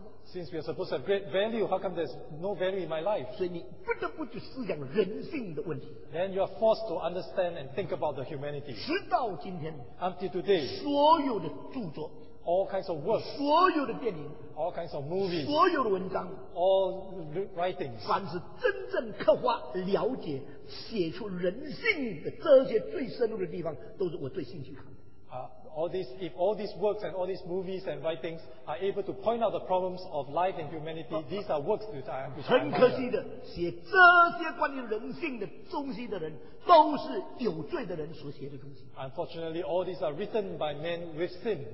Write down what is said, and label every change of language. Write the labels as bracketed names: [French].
[English] Since we are supposed to have great value, how come there's no value in my life? Then you are forced to understand and think about the humanity. Until today, all kinds of works, all kinds of movies, [Chinese] 所有的文章, [English] all writings, [Chinese] 凡是真正刻画、了解、写出人性的这些最深入的地方， 都是我最兴趣看的。 [English] If all these works and all these movies and writings are able to point out the problems of life and humanity, these are works which I am proud of. [Chinese] 很可惜的, 写这些关于人性的东西的人都是有罪的人所写的东西。 [English] Unfortunately, all these are written by men with sin.